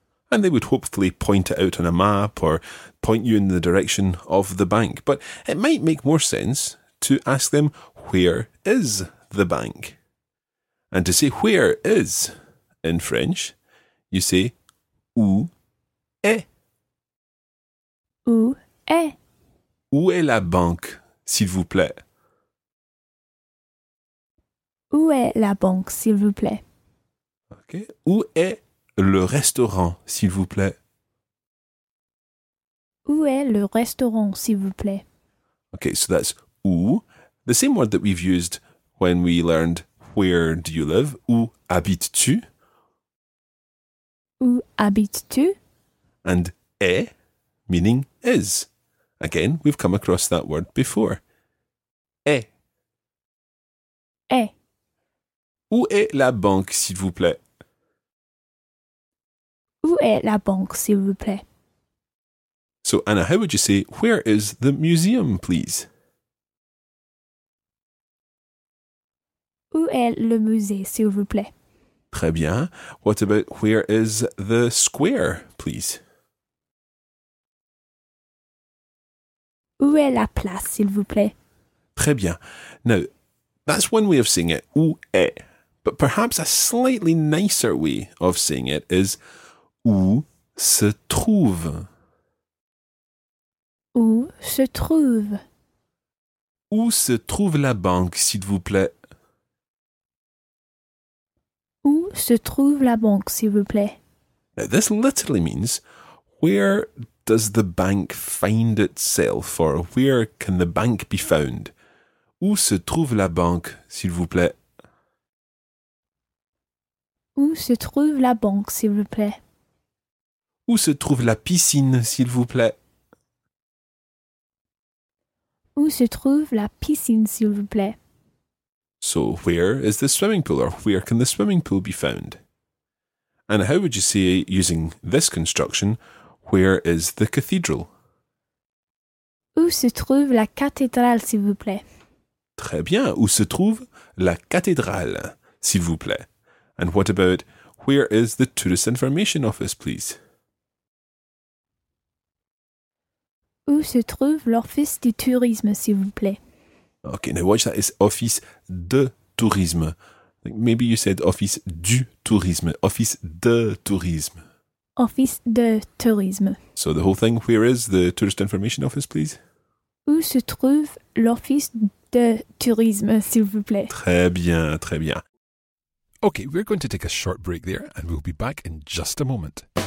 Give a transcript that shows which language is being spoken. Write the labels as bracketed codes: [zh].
[en] And they would hopefully point it out on a map or point you in the direction of the bank. But it might make more sense to ask them, where is the bank? And to say where is in French, you say où est. [fr] Où est. Où est la banque, s'il vous plaît? Où est la banque, s'il vous plaît? [en] Okay. [fr] Où est le restaurant, s'il vous plaît? Où est le restaurant, s'il vous plaît? [en] Okay, so that's où, the same word that we've used when we learned Where do you live? [fr] Où habites-tu? Où habites-tu? [en] And est, meaning is. Again, we've come across that word before. [fr] Est. Est. Où est la banque, s'il vous plaît? Où est la banque, s'il vous plaît? [en] So, Anna, how would you say, where is the museum, please? [fr] Où est le musée, s'il vous plaît? Très bien. [en] What about, where is the square, please? [fr] Où est la place, s'il vous plaît? Très bien. [en] Now, that's one way of saying it, où est. But perhaps a slightly nicer way of saying it is, où se trouve? [fr] Où se trouve? Où se trouve la banque, s'il vous plaît? Où se trouve la banque, s'il vous plaît? [en] Now, this literally means, where does the bank find itself? Or where can the bank be found? [fr] Où se trouve la banque, s'il vous plaît? Où se trouve la banque, s'il vous plaît? Où se trouve la piscine, s'il vous plaît? Où se trouve la piscine, s'il vous plaît? [en] So, where is the swimming pool, or where can the swimming pool be found? And how would you say, using this construction, where is the cathedral? [fr] Où se trouve la cathédrale, s'il vous plaît? Très bien, où se trouve la cathédrale, s'il vous plaît? [en] And what about, where is the tourist information office, please? [fr] Où se trouve l'office du tourisme, s'il vous plaît? [en] Okay, now watch that. It's office de tourisme. Like maybe you said office du tourisme. [fr] Office de tourisme. Office de tourisme. [en] So the whole thing, where is the tourist information office, please? [fr] Où se trouve l'office de tourisme, s'il vous plaît? Très bien, très bien. [en] Okay, we're going to take a short break there and we'll be back in just a moment.